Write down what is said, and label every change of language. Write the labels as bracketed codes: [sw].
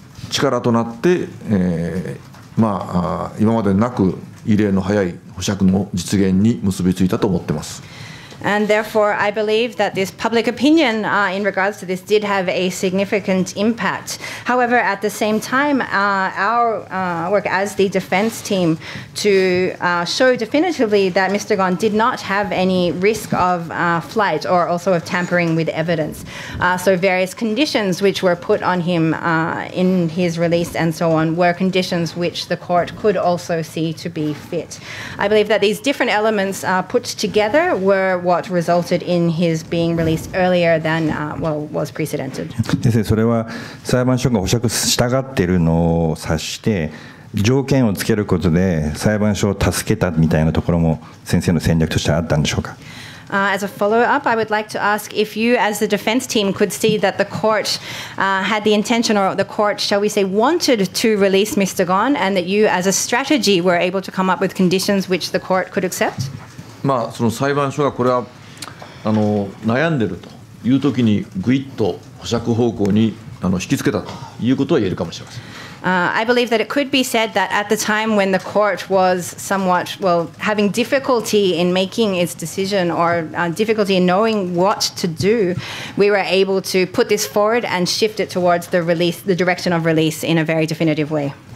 [ja] 力となって、今までなく異例の早い保釈の実現に結びついたと思ってます。 [en] And therefore, I believe that this public opinion, in regards to this did have a significant impact. However, at the same time, our work as the defense team to show definitively that Mr. Gon did not have any risk of flight or also of tampering with evidence. So various conditions which were put on him in his release and so on were conditions which the court could also see to be fit. I believe that these different elements put together were what resulted in his being released earlier than was precedented. [ja] 先生、それは裁判所が保釈したがっているのを察して条件をつけることで裁判所を助けたみたいなところも先生の戦略としてあったんでしょうか。 [en] As a follow-up, I would like to ask if you, as the defense team, could see that the court had the intention, or the court, shall we say, wanted to release Mr. Gon, and that you, as a strategy, were able to come up with conditions which the court could accept? [ja] その裁判所がこれは悩んでるというときにぐいっと保釈方向に引きつけたということは言えるかもしれません。 [en] I believe that it could be said that at the time when the court was somewhat, having difficulty in making its decision or difficulty in knowing what to do, we were able to put this forward and shift it towards the release, the direction of release in a very definitive way.